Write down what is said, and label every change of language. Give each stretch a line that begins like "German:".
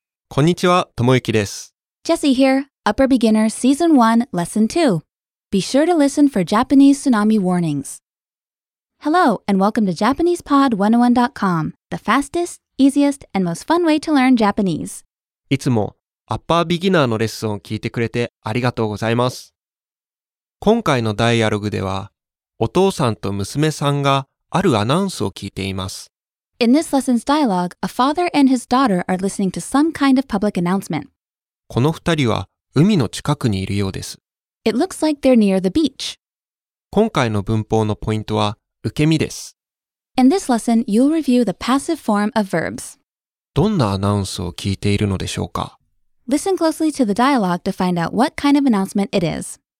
Japanese: こんにちは、ともゆきです。
English: Jesse here, Upper Beginner Season 1, Lesson 2. Be sure to listen for Japanese tsunami warnings. Hello, and welcome to JapanesePod101.com, the fastest, easiest, and most fun way to learn Japanese.
Japanese: いつも、Upper Beginner のレッスンを聞いてくれてありがとうございます。今回のダイアログでは、お父さんと娘さんがあるアナウンスを聞いています。
English: In this lesson's dialogue, a father and his daughter are listening to some kind of public announcement.
Japanese: この二人は海の近くにいるようです。
English: It looks like they're near the beach.
Japanese: 今回の文法のポイントは受け身です。
English: In this lesson, you'll review the passive form of verbs.
Japanese: どんなアナウンスを聞いているのでしょうか?
English: Listen closely to the dialogue to find out what kind of announcement it is.